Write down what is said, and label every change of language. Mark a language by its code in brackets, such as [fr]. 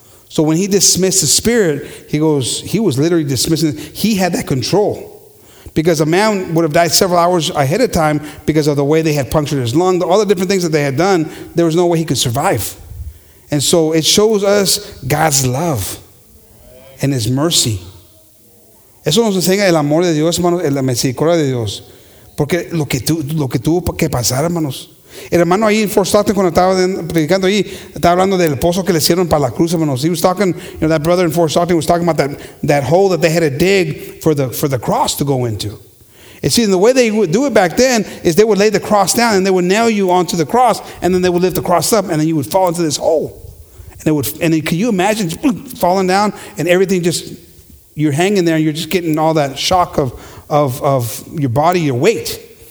[en] So when he dismissed the spirit, he goes, he was literally dismissing. He had that control. Because a man would have died several hours ahead of time because of the way they had punctured his lung, all the different things that they had done, there was no way he could survive. And so it shows us God's love and his mercy. [es] Eso nos enseña el amor de Dios, hermanos, la misericordia de Dios. Porque lo que tuvo que pasar, hermanos. El hermano ahí en Fort Stockton, cuando estaba predicando ahí, estaba hablando del pozo que le hicieron para la cruz, hermanos. [en] He was talking, you know, that brother in Fort Stockton was talking about that hole that they had to dig for the cross to go into. And see, and the way they would do it back then is they would lay the cross down and they would nail you onto the cross, and then they would lift the cross up, and then you would fall into this hole. And then can you imagine falling down and everything just, you're hanging there and you're just getting all that shock of your body, your weight.